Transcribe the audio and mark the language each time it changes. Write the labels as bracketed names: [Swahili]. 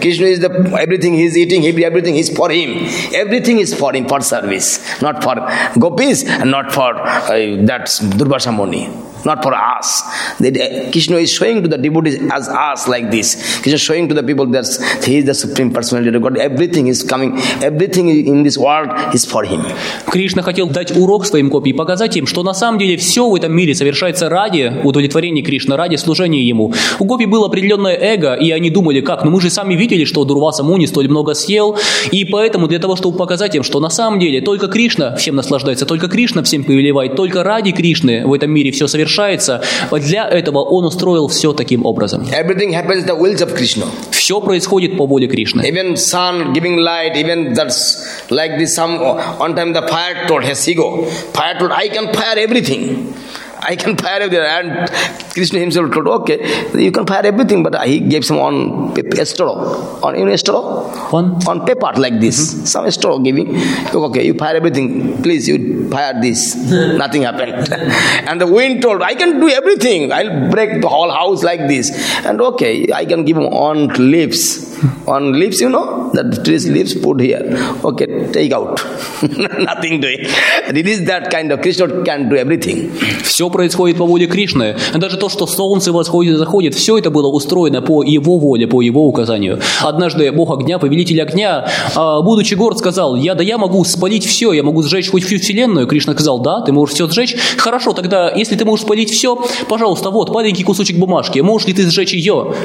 [English] Krishna is the everything he's eating, everything is for him. Everything is for him, for service, not for gopis, and not for that Durvasa Muni. Not for us. Krishna is showing to the devotees as us like this. Krishna is showing to the people that he is the supreme personality of God. Everything is coming. Everything in this world is for him. [Russian] Krishna хотел дать урок своим копи и показать им, что на самом деле все в этом мире совершается ради удовлетворения Кришны, ради служения ему. У гопи было определенное эго, и они думали, как? Ну мы же сами видели, что Дурваса Муни столь много съел, и поэтому для того, чтобы показать им, что на самом деле только Кришна всем наслаждается, только Кришна всем повелевает, только ради Кришны в этом мире все совершается. Для этого он устроил все таким образом. [English] Everything happens the wills of Krishna. [Russian] Все происходит по воле Кришны. [English] Even sun giving light, even that's like this some on time the fire told his ego. Fire told, I can fire everything. I can fire everything. And Krishna himself told, okay, you can fire everything, but he gave some on paper, a straw on paper like this. Mm-hmm. Some straw giving. Okay, you fire everything. Please, you fire this. Nothing happened. And the wind told, I can do everything. I'll break the whole house like this. And okay, I can give him on leaves. On leaves, you know, that tree's leaves put here. Okay, take out. Nothing doing. It is that kind of Krishna can do everything. [Russian] Все происходит по воле Кришны. Даже то, что солнце восходит и заходит, все это было устроено по его воле, по его указанию. Однажды Бог огня, повелитель огня, будучи горд, сказал, я могу спалить все, я могу сжечь хоть всю вселенную. Кришна сказал, да, ты можешь все сжечь. Хорошо, тогда, если ты можешь спалить все, пожалуйста, вот, маленький кусочек бумажки, можешь ли ты сжечь ее?